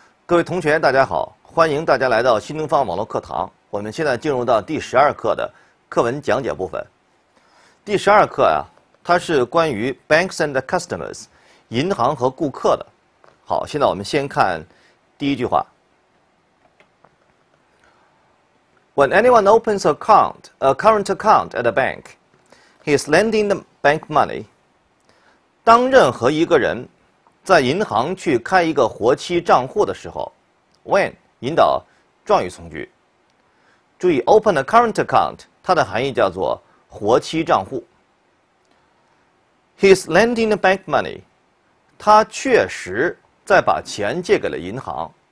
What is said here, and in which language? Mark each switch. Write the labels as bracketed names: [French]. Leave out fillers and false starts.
[Chinese] 各位同学，大家好，欢迎大家来到新东方网络课堂。我们现在进入到第十二课的课文讲解部分。第十二课啊，它是关于 [English] banks and customers， [Chinese] 银行和顾客的。好，现在我们先看第一句话。 [English] When anyone opens a current account at a bank, he is lending the bank money. [Chinese] 当任何一个人在银行去开一个活期账户的时候 ，when 引导状语从句。注意 ， [English] open a current account， [Chinese] 它的含义叫做活期账户。 [English] He is lending the bank money， [Chinese] 他确实在把钱借给了银行。